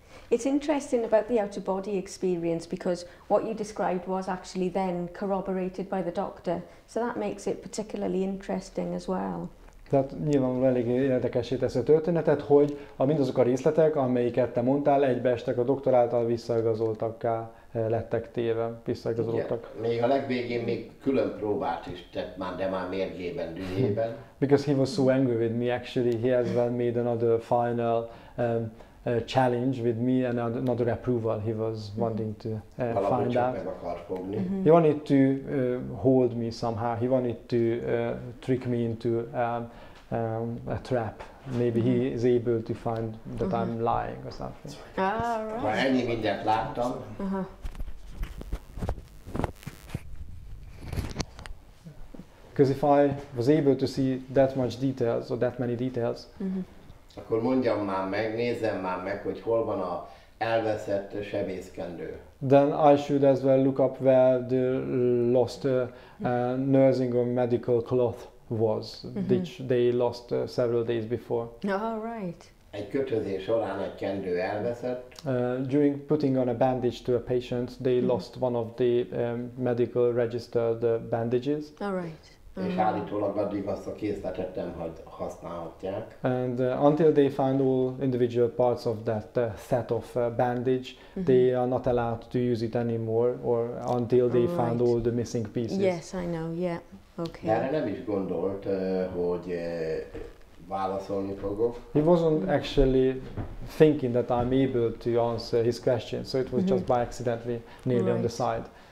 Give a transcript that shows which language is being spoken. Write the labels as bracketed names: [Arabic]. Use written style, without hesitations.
[English] It's interesting about the out-of-body experience, because what you described was actually then corroborated by the doctor. So that makes it particularly interesting as well. [Hungarian] Tehát nyilván elég érdekessé teszi a történetet, hogy a mindazok a részletek, amelyeket te mondtál, egybeestek a doktor által visszaigazoltakká, lettek téve, visszaigazoltak. Még a legvégén még külön próbát is tett már, de már mérgében, dühében. [English] Because he was so angry with me, actually, he has then made another final challenge with me and another approval he was wanting to find out. He wanted to hold me somehow, he wanted to trick me into a trap. Maybe he is able to find that I'm lying or something. Ah, right. Because if I was able to see that much details or that many details, [Hungarian] akkor mondjam már meg, nézzem már meg, hogy hol van a elveszett sebészkendő. [English] Then I should as well look up where the lost nursing or medical cloth was, which they lost several days before. Oh, right. [Hungarian] Egy kötözés során egy kendő elveszett. [English] During putting on a bandage to a patient, they lost one of the medical registered bandages. Oh, right. [Hungarian] És állítólag addig azt a készletet nem használhatják. [English] And until they find all individual parts of that set of bandage, they are not allowed to use it anymore, or until they find all the missing pieces. Yes, I know, yeah, okay. [Hungarian] De erre nem is gondolt, hogy válaszolni fogok. [English] He wasn't actually thinking that I'm able to answer his question, so it was just by accidentally nearly on the side.